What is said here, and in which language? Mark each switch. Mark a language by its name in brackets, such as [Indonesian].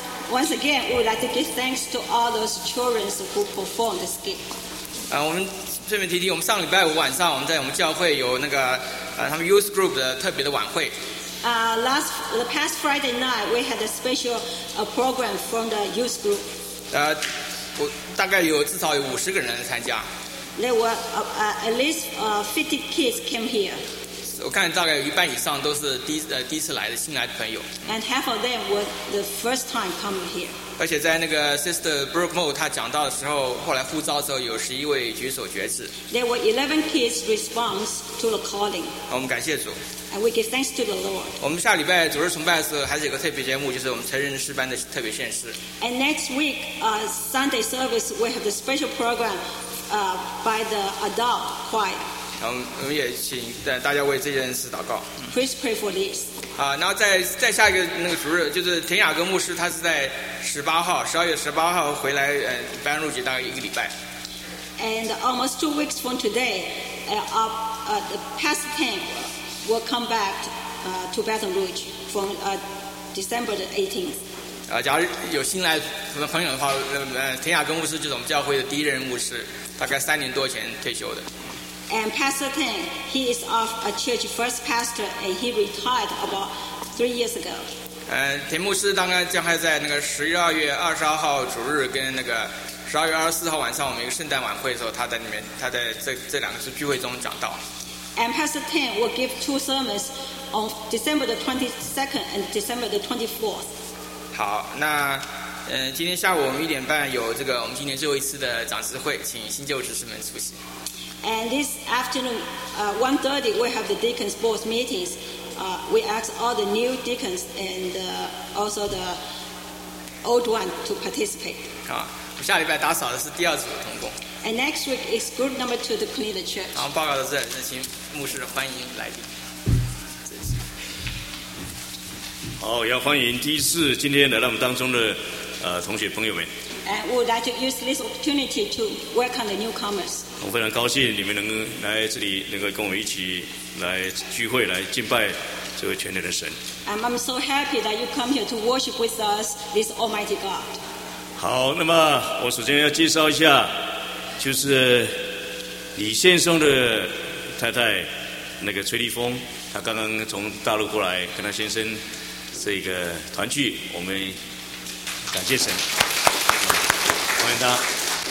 [English] Once again, we would like to give thanks to all those children who performed the skit. [Chinese] 我们顺便提提，我们上礼拜五晚上，我们在我们教会有那个他们 youth group 的特别的晚会。 [English] The past Friday night we had a special program from the youth group. [Chinese] 我大概有至少有50个人来参加。 [English] There were at least 50 kids came here. [Chinese] 我看大概有一半以上都是第一次来的新来的朋友。 [English] And half of them were the first time coming here. [Chinese] 而且在那个 Sister Brooke Moe 她讲到的时候，后来呼召的时候有11位举手决志。 [English] There were 11 kids response to the calling. [Chinese] 我们感谢主。 [English] And we give thanks to the Lord. [Chinese] 我们下礼拜主日崇拜是还是有个特别节目，就是我们成人诗班的特别献诗。 [English] And next week, Sunday service, we have the special program, by the adult choir. [Chinese] 我们也请大家为这件事祷告。 [English] Please pray for this. [Chinese] 然后在下一个那个主日，就是田雅各牧师，他是在12月18号回来，班入籍大概一个礼拜。 [English] And almost 2 weeks from today, the pastor Tim will come back to Baton Rouge from December the 18th. [Chinese] 假如有新来的朋友的话，田雅根牧师就是我们教会的第一任牧师，大概三年多前退休的。 [English] And Pastor Tim, he is of a church first pastor, and he retired about 3 years ago. [Chinese] 田牧师刚刚将会在那个12月22号主日跟那个。 12月24号晚上，我们一个圣诞晚会的时候，他在这两个次聚会中讲道。 [English] And Pastor Tim will give 2 sermons on December the 22nd and December the 24th. [Chinese] 好，那今天下午我们1:30有这个我们今年最后一次的长执会，请新旧执事们出席。 [English] And this afternoon, 1:30 we have the deacons' board meetings. We ask all the new deacons and also the old one to participate. [Chinese] 好。下礼拜打扫的是第二组的同工。 [English] And next week is group number two to clean the church. [Chinese] 然后报告到这，那请牧师欢迎来宾。好，要欢迎第一次今天来到我们当中的同学朋友们。 [English] And would like to use this opportunity to welcome the newcomers. [Chinese] 我非常高兴你们能来这里，能够跟我们一起来聚会，来敬拜这位全能的神。 [English] I'm so happy that you come here to worship with us this Almighty God. [Chinese] 好，那么我首先要介绍一下，就是李先生的太太，那个崔丽峰，她刚刚从大陆过来，跟她先生这个团聚，我们感谢神，欢迎她。